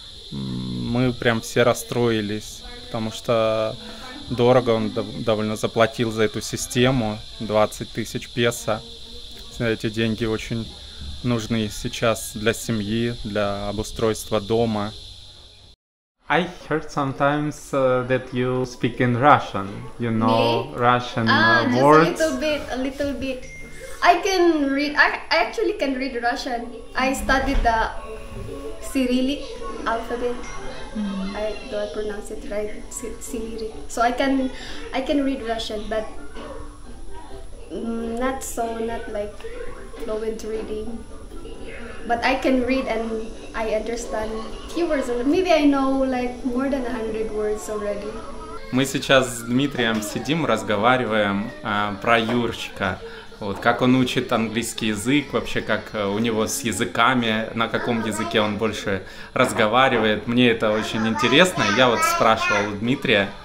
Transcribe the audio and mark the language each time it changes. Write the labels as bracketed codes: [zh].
[ru] Мы прям все расстроились, потому что дорого он довольно заплатил за эту систему, 20 тысяч песо. Эти деньги очень нужны сейчас для семьи, для обустройства дома. [en] I heard sometimes that you speak in Russian, you know. Me? Russian words. Just a little bit. I can read, I actually can read Russian. I studied the Cyrillic alphabet. I pronounce it right, Cyrillic. So I can read Russian, but not like fluent reading. But I can read and I understand few words. Maybe I know like more than 100 words already. [ru] Мы сейчас с Дмитрием сидим, разговариваем про Юрчика. Вот, как он учит английский язык, вообще как у него с языками, на каком языке он больше разговаривает. Мне это очень интересно. Я вот спрашивал у Дмитрия.